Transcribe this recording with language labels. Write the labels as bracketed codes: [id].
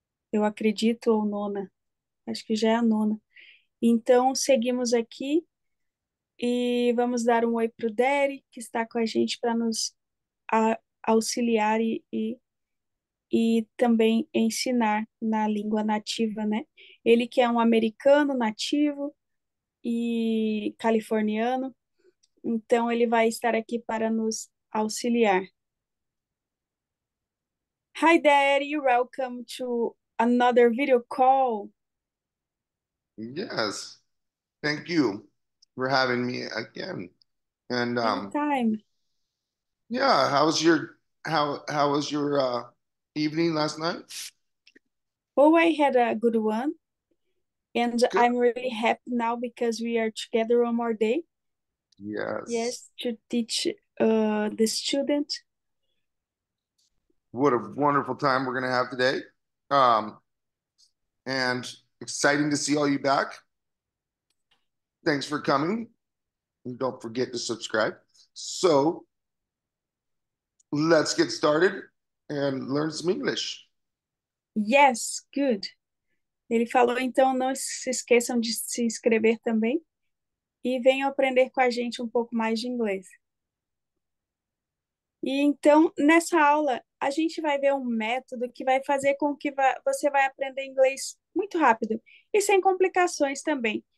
[pt] Eu acredito, ou nona, acho que já é a nona. Então, seguimos aqui e vamos dar um oi para o Derek, que está com a gente para nos auxiliar e também ensinar na língua nativa, né? Ele que é um americano nativo e californiano, então ele vai estar aqui para nos auxiliar. [en] Hi there, you're welcome to another video call. Yes, thank you for having me again. And Anytime. how was your evening last night? Oh, I had a good one. And Good. I'm really happy now because we are together one more day. Yes. Yes, to teach the student. What a wonderful time we're gonna have today. And exciting to see all you back. Thanks for coming. And don't forget to subscribe. So let's get started and learn some English. Yes, good. [pt] Ele falou, então não se esqueçam de se inscrever também e venham aprender com a gente um pouco mais de inglês. E então, nessa aula, a gente vai ver um método que vai fazer com que você vai aprender inglês muito rápido e sem complicações também.